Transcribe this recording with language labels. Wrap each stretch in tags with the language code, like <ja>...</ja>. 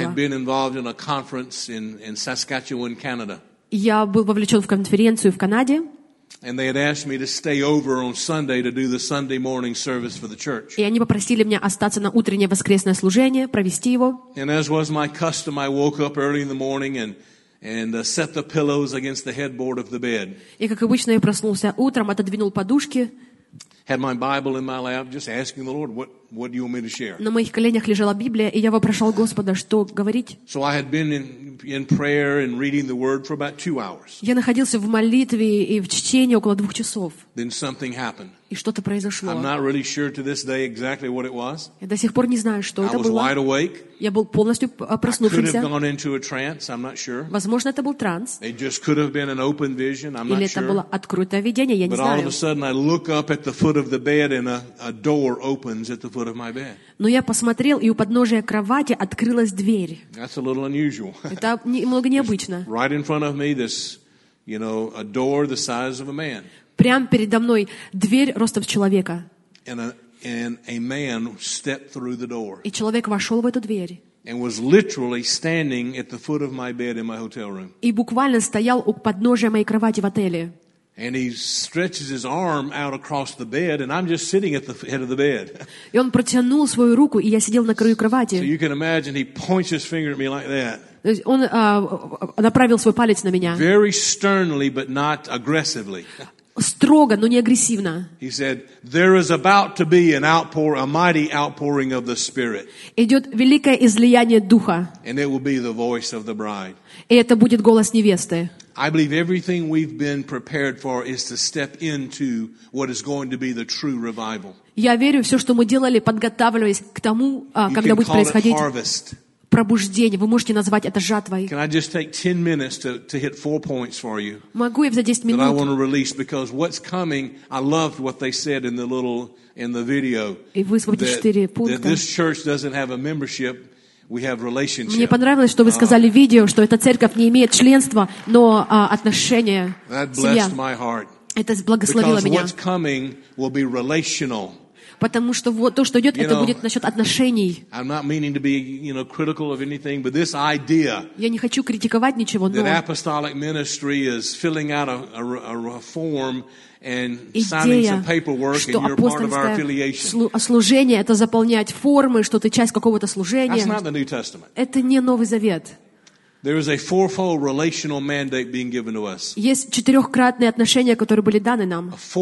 <en>I had been involved in a conference in Saskatchewan, Canada.</en> <ru>Я был вовлечен в конференцию в Канаде.</ru> <en>And they had asked me to stay over on Sunday to do the Sunday morning service for the church.</en> <ru>И они попросили меня остаться на утреннее воскресное служение, провести его.</ru> <en>And as was my custom, I woke up early in the morning and set the pillows against the headboard of the bed.</en> <ru>И как обычно, я проснулся утром, отодвинул подушки.</ru> <en>Had my Bible in my lap, just asking the Lord, what do you want me to share?</en> <ru>На моих коленях лежала Библия, и я вопрошал Господа, что говорить.</ru> <en>So I had been in prayer and reading the word for about 2 hours.</en> <ru>Я находился в молитве и в чтении около 2 часов.</ru> <en>Then something happened.</en> <ru>И что-то произошло.</ru> <en>I'm not really sure to this day exactly what it was.</en> <ru>Я до сих пор не знаю, что это было.</ru> <en>I was wide awake.</en> <ru>Я был полностью проснувшимся.</ru> <en>I could have gone into a trance. I'm not sure.</en> <ru>Возможно, это был транс.</ru> <en>It just could have been an open vision. I'm not sure.</en> <ru>Или это было открытое видение. Я не знаю.</ru> <en>But all of a sudden, I look up at the foot of the bed, and a door opens at the foot of my bed.</en> <ru>Но я посмотрел, и у подножия кровати открылась дверь.</ru> <en>That's a little unusual.</en> <ru>Это немного необычно.</ru> <en>Right in front of me, this, you know, a door the size of a man.</en> <ru>Прямо передо мной дверь ростом с человека.</ru> <en>And a man stepped through the door.</en> <ru>И человек вошел в эту дверь.</ru> <en>And was literally standing at the foot of my bed in my hotel room.</en> <ru>И буквально стоял у подножия моей кровати в отеле.</ru> <en>And he stretches his arm out across the bed, and I'm just sitting at the head of the bed.</en> <ru>И он протянул свою руку, и я сидел на краю кровати.</ru> <en>So you can imagine, he points his finger at me like that.</en> <ru>Он направил свой палец на меня.</ru> <en>Very sternly, but not aggressively.</en> <ru>Строго, но не агрессивно.</ru> <en>He said, "There is about to be an outpour, a mighty outpouring of the Spirit."</en> <ru>Идет великое излияние духа.</ru> <en>And it will be the voice of the bride.</en> <ru>И это будет голос невесты.</ru> <en>I believe everything we've been prepared for is to step into what is going to be the true revival.</en> <ru>Я верю, все, что мы делали, подготавливаясь к тому, когда будет происходить. Пробуждение. Вы можете назвать это жатвой.</ru> <en>Can I just take 10 minutes to hit 4 points for you?</en> <ru>Могу я взять 10 минут?</ru> <en>That I want to release because what's coming, I loved what they said in the video.</en> <ru>И вы смотрите 4 пункта.</ru> <en>That this church doesn't have a membership, we have relationship.</en> <ru>Мне понравилось, что вы сказали в видео, что эта церковь не имеет членства, но отношения.</ru> <en>That blessed my heart.</en> <ru>Это благословило меня.</ru> <en>Because what's coming will be relational.</en> <ru>Потому что вот то, что идет,</ru> <en>you know,</en> <ru>это будет насчет отношений.</ru> <en>I'm not meaning to be, you know, critical of anything, but this idea.</en> <ru>Я не хочу критиковать ничего, но.</ru> <en>That apostolic ministry is filling out a form and</en> <ru>идея,</ru> <en>signing some paperwork, and you're part of our affiliation.</en> <ru>Служение — это заполнять формы, что ты часть какого-то служения.</ru> <en>That's not the New Testament.</en> <ru>Это не Новый Завет.</ru> <en>There is a fourfold relational mandate being given to us.</en> <ru>Есть четырехкратные отношения, которые были даны нам.</ru>